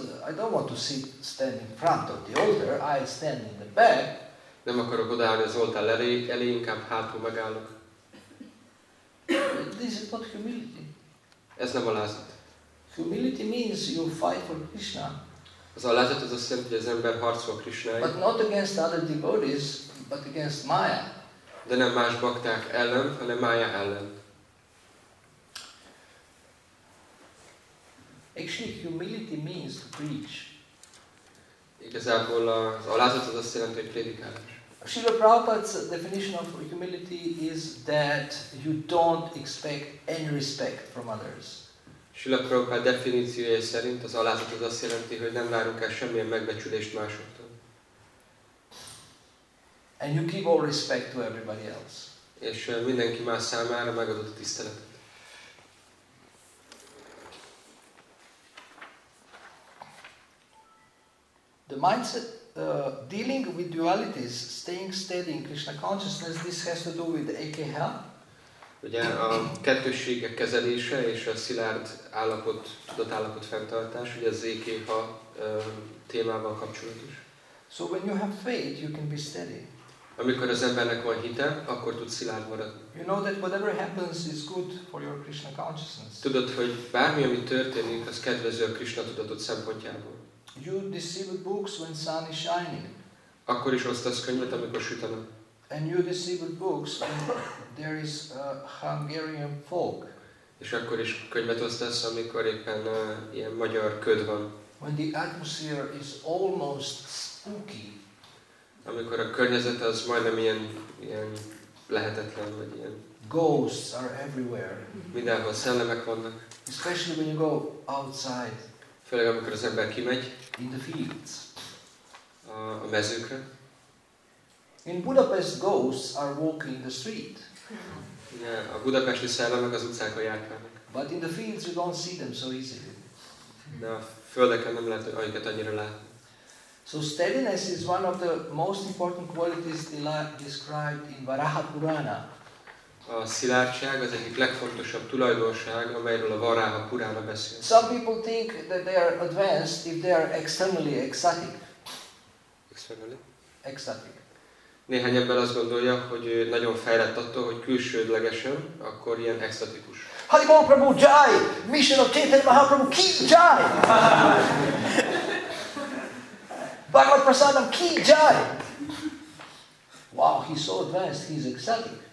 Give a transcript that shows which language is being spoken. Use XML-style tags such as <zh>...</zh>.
<en>I don't want to sit stand in front of the altar, I stand in the back.</en> <hu>Nem akarok odaállni az oltár elé, inkább hátul megállok.</hu> <en>This is not humility.</en> <hu>Ez nem alázat.</hu> <en>Humility means you fight for Krishna.</en> <hu>Az alázat az azt jelenti, hogy az ember harcol Krishnáért.</hu> <en>But not against other devotees, but against Maya.</en> <hu>De nem más bakták ellen, hanem Maya ellen.</hu> <en>Actually, humility means to preach.</en> <hu>Igazából az alázat az azt jelenti, hogy prédikálás.</hu> <en>Srila Prabhupada's definition of humility is that you don't expect any respect from others.</en> <hu>Srila Prabhupada definíciója szerint az alázat az azt jelenti, hogy nem várunk el semmilyen megbecsülést másoktól.</hu> <en>And you give all respect to everybody else.</en> <hu>És mindenki más számára megadott tiszteletet.</hu> <en>The mindset dealing with dualities, staying steady in Krishna consciousness, this has to do with Ekaha.</en> <hu>Ugye a kettősségek kezelése és a szilárd állapot, tudatállapot fenntartás, ugye az Ekaha témával kapcsolatos.</hu> <en>So when you have faith, you can be steady.</en> <hu>Amikor az embernek van hite, akkor tud szilárd maradni.</hu> <en>You know that whatever happens is good for your Krishna consciousness.</en> <hu>Tudod, hogy bármi, ami történik, az kedvező a Krishna tudatod szempontjából.</hu> <en>You deceive books when sun is shining.</en> <hu>Akkor is osztasz könyvet, amikor süt a nap.</hu> <en>And you deceive books when there is a Hungarian fog.</en> <hu>És akkor is könyvet osztasz, amikor éppen ilyen magyar köd van.</hu> <en>When the atmosphere is almost spooky.</en> <hu>Amikor a környezet az majdnem ilyen lehetetlen, vagy ilyen.</hu> <en>Ghosts are everywhere.</en> <hu>Mindenhol szellemek vannak.</hu> <en>Especially when you go outside.</en> <hu>Főleg amikor az ember kimegy.</hu> <en>In the fields.</en> <hu>A mezőkre.</hu> <en>In Budapest, ghosts are walking in the street.</en> <hu>Yeah, a budapesti szellemek az utcákon járkálnak.</hu> <en>But in the fields you don't see them so easily.</en> <hu>De a földeken nem lehet őket annyira látni.</hu> <en>So steadiness is one of the most important qualities described in Varaha Purana.</en> <hu>A szilárdság az egyik legfontosabb tulajdonság, amelyről a Varaha Purana beszél.</hu> <en>Some people think that they are advanced if they are externally ecstatic. Externally? Ecstatic.</en> <hu>Néhány ember azt gondolja, hogy nagyon fejlett attól, hogy külsődlegesen, akkor ilyen ecstatikus.</hu> <sa>Hari Mahaprabhu Jai! Mission of Chaitanya Mahaprabhu Ki Jai! Bhagavad Prasadam Ki Jai!</sa> <en>Wow, he's so advanced, he's ecstatic.</en>